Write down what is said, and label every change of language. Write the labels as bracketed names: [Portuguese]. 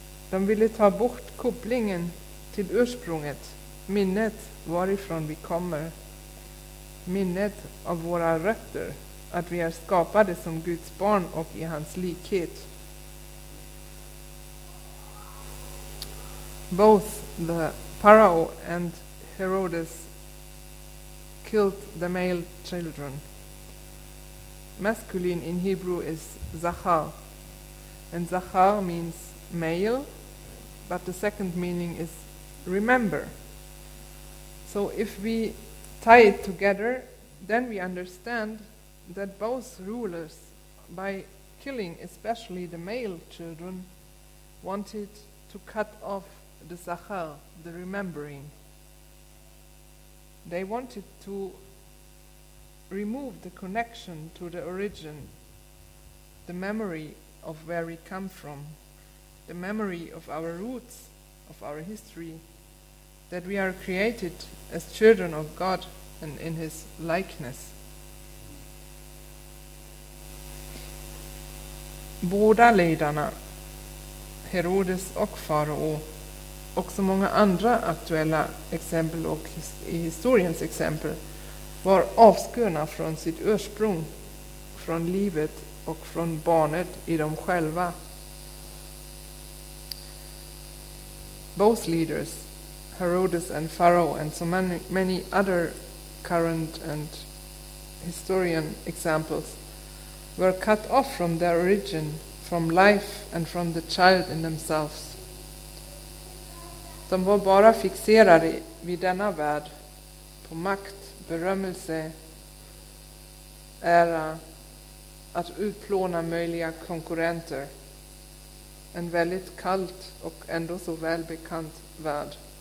[Swedish] De ville ta bort kopplingen till ursprunget, minnet varifrån vi kommer, minnet av våra rötter, att vi är skapade som Guds barn och i hans likhet. [English] Both the pharaoh and Herodes killed the male children. Masculine in Hebrew is zachar, and zachar means male, but the second meaning is remember. So if we tie it together, then we understand that both rulers, by killing especially the male children, wanted to cut off the zachar, the remembering. They wanted to remove the connection to the origin, the memory of where we come from, the memory of our roots, of our history, that we are created as children of God and in his likeness. [Swedish] Båda ledarna, Herodes och farao, och så många andra aktuella exempel och i historiens exempel, var avskurna från sitt ursprung, från livet och från barnet i dem själva. [English] Both leaders, Herodes and Pharaoh, and so many other current and historian examples, were cut off from their origin, from life and from the child in themselves. [Swedish] De var bara fixerade vid denna värld, på makt, berömmelse, ära, att utplåna möjliga konkurrenter, en väldigt kallt och ändå så välbekant värld.